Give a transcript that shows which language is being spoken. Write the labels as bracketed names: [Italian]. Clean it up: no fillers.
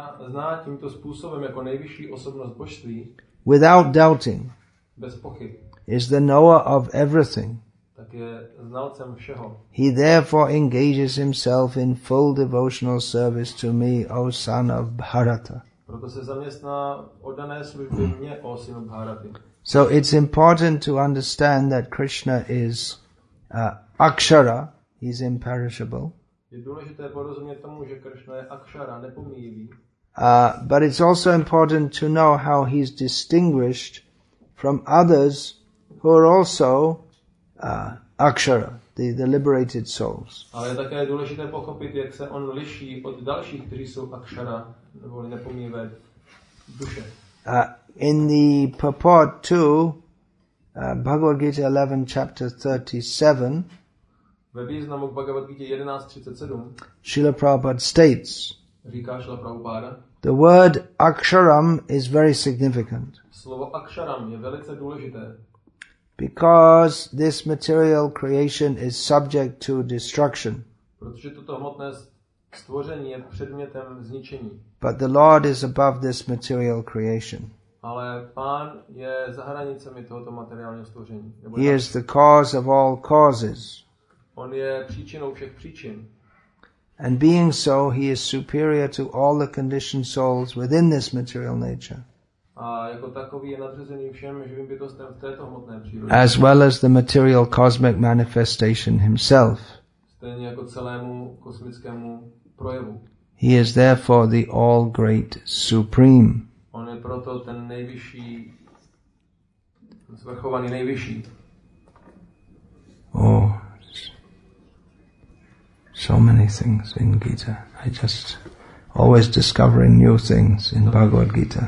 [Czech] Zná tímto způsobem jako nejvyšší osobnost božství, [English] without doubting, [Czech] bez pochyb, [English] is the knower of everything. [Czech] Tak je znalcem všeho. [English] He therefore engages himself in full devotional service to me, O son of Bharata. [Czech] Proto se zaměstná oddané služby mě, O synu Bharaty. [English] So it's important to understand that Krishna is akshara, he's imperishable. [Czech] Je důležité porozumět tomu, že Krishna je akshara, nepomíjivý. [English] But it's also important to know how he's distinguished from others who are also akshara, the liberated souls. [Czech] Ale je také důležité pochopit, jak se on liší od dalších, kteří jsou akshara, nebo nepomíjivé duše. [English] In the purport to Bhagavad Gita 11, chapter 37, [Czech] ve významu Bhagavad Gita 11:37, [English] Srila Prabhupada states, [Czech] říká Srila Prabhupada, [English] the word aksharam is very significant. [Czech] Slovo aksharam je velice důležité. [English] Because this material creation is subject to destruction. [Czech] Protože toto hmotné stvoření je předmětem zničení. [English] But the Lord is above this material creation. [Czech] Ale pán je za hranicemi tohoto materiálního stvoření. [English] He is the cause of all causes. [Czech] On je příčinou všech příčin. [English] And being so, he is superior to all the conditioned souls within this material nature. [Czech] A jako takový je nadřazený všem živým bytostem v této hmotné přírodě. [English] As well as the material cosmic manifestation himself. [Czech] Stejně jako celému kosmickému projevu. [English] He is therefore the all great supreme. [Czech] On je proto ten nejvyšší, zvrchovaný nejvyšší. [English] Oh, so many things in Gita. I just always discovering new things in Bhagavad Gita.